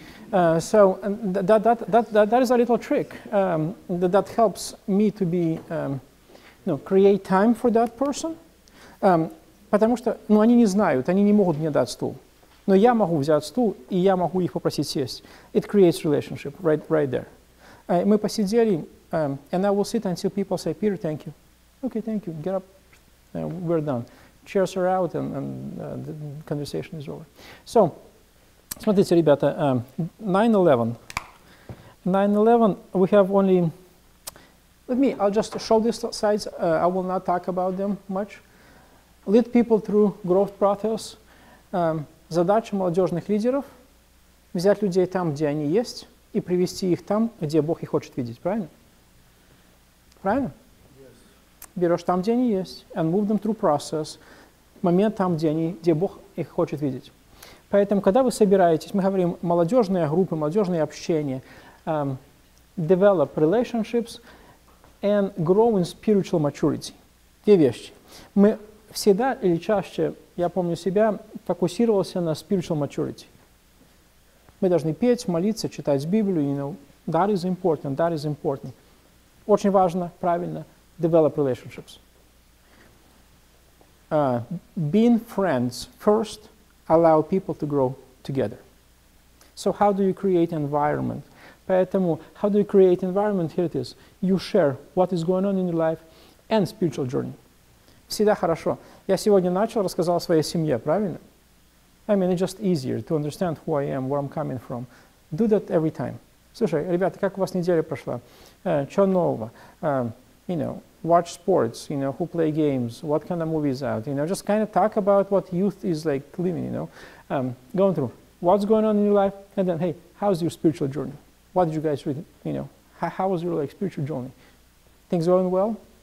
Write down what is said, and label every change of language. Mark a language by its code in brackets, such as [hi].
[en] So that is a little trick that helps me to be, you know, create time for that person. [ru] Потому что, ну, они не знают, они не могут мне дать стул. Но я могу взять стул, и я могу их попросить сесть. [en] It creates relationship right there. [ru] Мы посидели, [en] and I will sit until people say, Peter, thank you. Okay, thank you, get up, we're done. Chairs are out, and the conversation is over. So, [ru] смотрите, ребята, [en] 9-11, we have only, I'll just show these slides, I will not talk about them much. Lead people through growth process. [ru] Задача молодежных лидеров – взять людей там, где они есть, и привести их там, где Бог их хочет видеть. Правильно? Правильно? [en] Yes. [ru] Берешь там, где они есть, [en] and move them through process. [ru] Момент там, где они, где Бог их хочет видеть. Поэтому, когда вы собираетесь, мы говорим, молодежные группы, молодежные общения, [en] develop relationships and grow in spiritual maturity. [ru] Две вещи. Мы всегда или чаще, я помню себя, фокусировался на [en] spiritual maturity. [ru] Мы должны петь, молиться, читать Библию. [en] You know, that is important, that is important. [ru] Очень важно, правильно, [en] develop relationships. Being friends first, allow people to grow together. So how do you create environment? Поэтому, how do you create environment? Here it is. You share what is going on in your life and spiritual journey. [ru] Всегда хорошо. Я сегодня начал, рассказал о своей семье, правильно? [en] I mean, it's just easier to understand who I am, where I'm coming from. Do that every time. [ru] Слушай, ребята, как у вас неделя прошла? Что нового? [en] You know, watch sports, you know, who play games, what kind of movies out, you know, just kind of talk about what youth is like living, you know, going through. What's going on in your life? And then, hey, how's your spiritual journey? What did you guys read? You know, how was your like spiritual journey? Things going well?